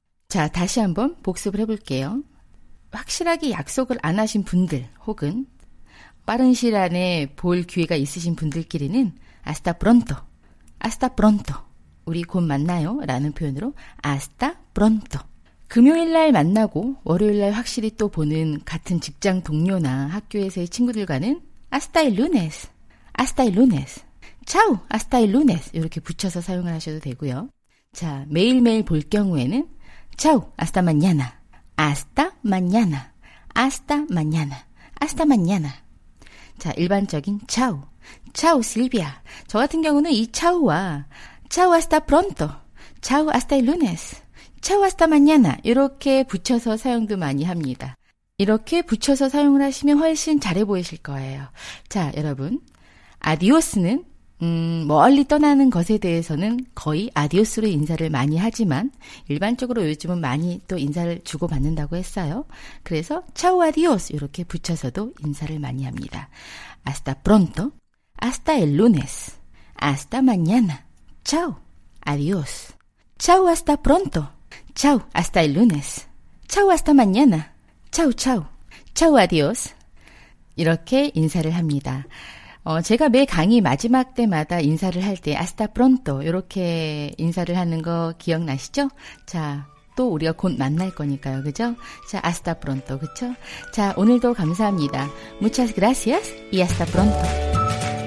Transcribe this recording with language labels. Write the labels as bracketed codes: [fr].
[ko] 자, 다시 한번 복습을 해볼게요. 확실하게 약속을 안 하신 분들 혹은 빠른 시일 안에 볼 기회가 있으신 분들끼리는 아스타 프론토, 아스타 프론토, 우리 곧 만나요 라는 표현으로 아스타 프론토. 금요일날 만나고 월요일날 확실히 또 보는 같은 직장 동료나 학교에서의 친구들과는 [es] hasta el lunes, hasta el lunes, [ko] chao, hasta el lunes 이렇게 붙여서 사용을 하셔도 되고요. 자, 매일매일 볼 경우에는 [es] chao, hasta mañana, hasta mañana, hasta mañana, hasta mañana. [ko] 자, 일반적인 [es] chao, chao Silvia. [ko] 저 같은 경우는 이 [es] chao와 chao hasta pronto, chao hasta el lunes, chao hasta mañana [ko] 이렇게 붙여서 사용도 많이 합니다. 이렇게 붙여서 사용을 하시면 훨씬 잘해 보이실 거예요. 자, 여러분, 아디오스는 멀리 떠나는 것에 대해서는 거의 아디오스로 인사를 많이 하지만 일반적으로 요즘은 많이 또 인사를 주고받는다고 했어요. 그래서 [es] chao adios [ko] 이렇게 붙여서도 인사를 많이 합니다. [es] hasta pronto, hasta el lunes, hasta mañana, chao, adios, chao hasta pronto, chao hasta el lunes, chao hasta mañana, chao chao, chao adios. [ko] 이렇게 인사를 합니다. 제가 매 강의 마지막 때마다 인사를 할 때 [es] hasta pronto [ko] 이렇게 인사를 하는 거 기억나시죠? 자, 또 우리가 곧 만날 거니까요, 그죠? [es] 자, hasta pronto, [ko] 그쵸? 자, 오늘도 감사합니다. [es] Muchas gracias y hasta pronto.